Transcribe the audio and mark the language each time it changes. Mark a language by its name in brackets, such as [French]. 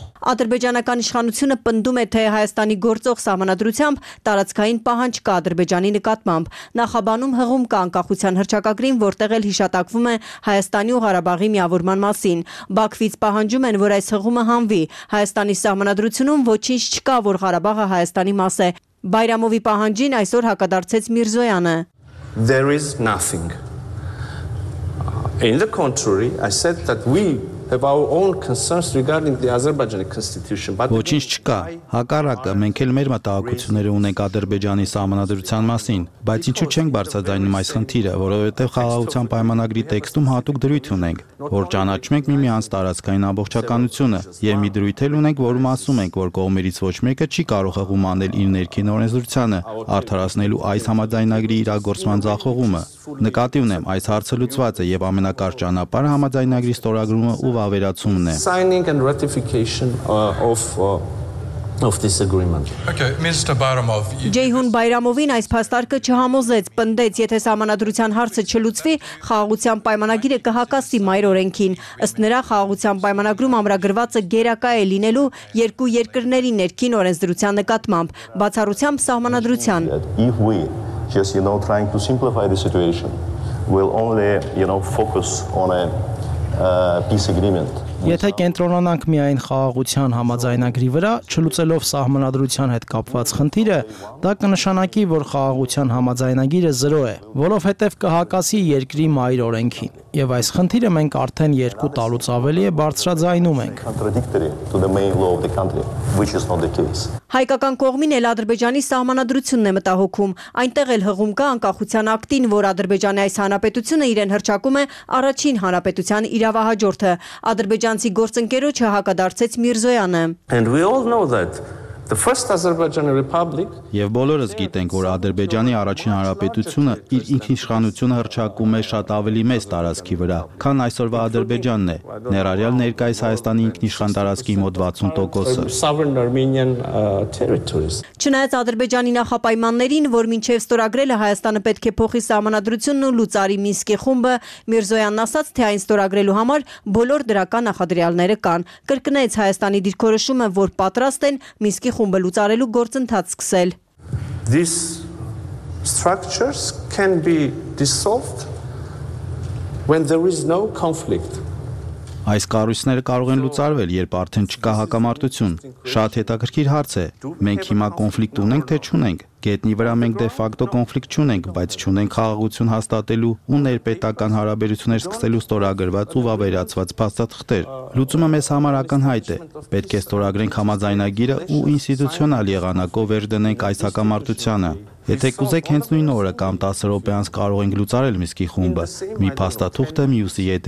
[Armenian] Ադրբեջանական իշխանությունը պնդում է, թե Հայաստանի գործող սահմանադրությամբ տարածքային պահանջ կա Ադրբեջանի նկատմամբ։ Նախաբանում հղում կա անկախության հռչակագրին, որտեղ էլ հիշատակվում է Հայաստանի ու Ղարաբաղի միավորման մասին։ Բաքվից պահանջում են, որ այս հղումը հանվի։ Հայաստանի սահմանադրությունում ոչինչ չկա, որ Ղարաբաղը Հայաստանի մաս է։ Բայրամովի պահանջին այսօր հակադարձեց Միրզոյանը։ [English] There is nothing. In the contrary, I said that we have our own concerns regarding the Azerbaijani constitution [Armenian] but ոչինչ չկա հակառակը մենք էլ մեր մտահոգությունները ունենք Ադրբեջանի սահմանադրության մասին բայց ինչու չենք բարձրացնում այս խնդիրը որովհետև խաղաղության պայմանագրի տեքստում հատուկ դրույթ ունենք որ ճանաչենք միմյանց տարածքային ամբողջականությունը եւ մի դրույթ էլ ունենք որում ասում ենք որ կողմերից ոչ մեկը չի կարող հղում անել իր ներքին օրենսդրությանը արդարացնելու այս համաձայնագրի իրագործման ձախողումը նկատի ունեմ այս հարցը լուծված է եւ ամենակարճ ճանապարհը համաձայնագրի ստորագրումը ու վավերացումն է [English] Signing and ratification of this agreement. Okay, Mr. Bayramov. [Armenian] Ջեյհուն Բայրամովին այս փաստարկը չհամոզեց, պնդեց, եթե համանդրության հարցը չլուծվի, խաղաղության պայմանագիրը կհակասի մայր օրենքին։ Ըստ նրա խաղաղության պայմանագրում ամրագրված է գերակա է լինելու երկու երկրների ներքին օրենսդրության նկատմամբ, բացառությամբ համանդրության։ [English] If we just you know trying to simplify the situation, we'll only, you know, focus on a peace agreement. [Armenian] Եթե կենտրոնանանք միայն խաղաղության համաձայնագրի վրա, չլուծելով սահմանադրության հետ կապված խնդիրը, դա կնշանակի, որ խաղաղության համաձայնագիրը զրո է, որովհետև կհակասի երկրի մայր օրենքին։ Եվ այս խնդիրը մենք արդեն 2 տարուց ավելի է բարձրաձայնում ենք։ Հայկական կողմին էլ Ադրբեջանի սահմանադրությունն է մտահոգում, այնտեղ էլ հղում կա անկախության ակտին, որ Ադրբեջանի այս հանրապետությունը իրեն հրճակում է առաջին հանրապետության իրավահաջորդը։ Ադրբեջանցի գործընկերոջը հակադարձեց Միրզոյանը։ [English] And we all know that the first Azerbaijani republic [Armenian] Եվ բոլորս գիտենք, որ Ադրբեջանի առաջին հանրապետությունը իր ինքնիշխանությունը հրճակում է շատ ավելի մեծ տարածքի վրա, քան այսօրվա Ադրբեջանն է։ Ներառյալ ներկայիս Հայաստանի ինքնիշխան տարածքի մոտ 60%-ը։ Չնայած Ադրբեջանի նախապայմաններին, որ մինչև ստորագրելը Հայաստանը պետք է փոխի սահմանադրությունն ու լուծարի Մինսկի խումբը, Միրզոյանն ասաց, թե այն ստորագրելու համար բոլոր դրական նախադրյալները կան։ Կրկնեց Հայաստանի դիրքորոշումը, որ պատրաստ են Մինսկի խումբը լուծարելու գործընթաց սկսել։ [English] These structures can be dissolved when there is no conflict. [Armenian] Այս կառույցները կարող են լուծարվել, երբ արդեն չկա հակամարտություն։ Շատ հետաքրքիր հարց է։ Մենք հիմա կոնֆլիկտ ունենք, թե չունենք։ Գետնի վրա մենք դեֆակտո կոնֆլիկտ չունենք, բայց չունենք խաղաղություն հաստատելու ու ներպետական հարաբերություններ սկսելու ստորագրված ու վավերացված փաստաթղթեր։ Լուծումը մեզ համար ակնհայտ է։ Պետք է ստորագրենք համաձայնագիրը ու ինստիտուցիոնալ եղանակով վերդնենք այս հակամարտությանը։ Եթե կուզեք հենց նույն օրը կամ 10 րոպե անց կարող ենք լուծարել Միսկի խումբը, մի փաստաթուղթը մյուսի